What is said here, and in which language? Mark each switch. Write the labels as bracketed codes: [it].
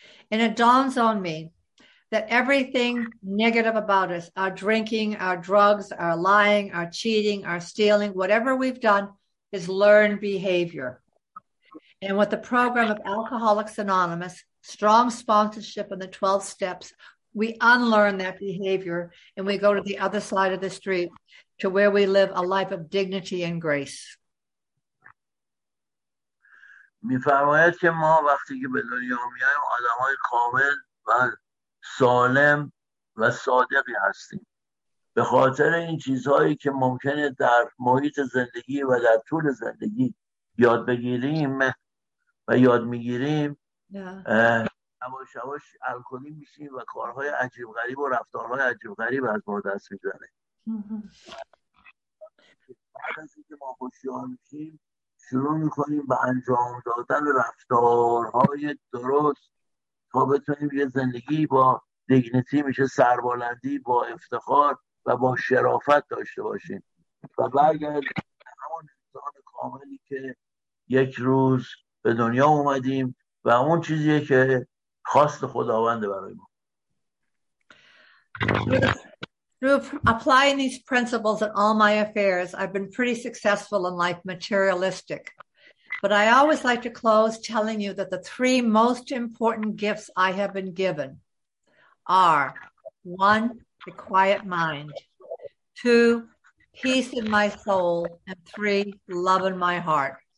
[en] And it dawns on me that everything negative about us, our drinking, our drugs, our lying, our cheating, our stealing, whatever we've done, is learned behavior. And with the program of Alcoholics Anonymous, strong sponsorship in the 12 steps, we unlearn that behavior and we go to the other side of the street to where we live a life of dignity and grace. [fa] می فرماید که ما وقتی که به دنیا میایم آدمای کامل و سالم و صادقی هستیم. به خاطر این چیزهایی که ممکنه در محیط زندگی و در طول زندگی یاد بگیریم و یاد میگیریم یواش یواش الکلی میشیم و کارهای عجیب غریب و رفتارهای عجیب غریب از ما دست میزنه. بعد از اینکه ما هوشیار میشیم شروع میکنیم به انجام دادن رفتارهای درست تا بتونیم یه زندگی با دیگنیتی میشه سربلندی با افتخار و با شرافت داشته باشیم و بعد همون انسان کاملی که یک روز به دنیا اومدیم و اون چیزیه که خواست خداونده برای ما. [en] Through applying these principles in all my affairs, I've been pretty successful in life materialistic. But I always like to close telling you that the three most important gifts I have been given are, one, the quiet mind, two, peace in my soul, and three, love in my heart.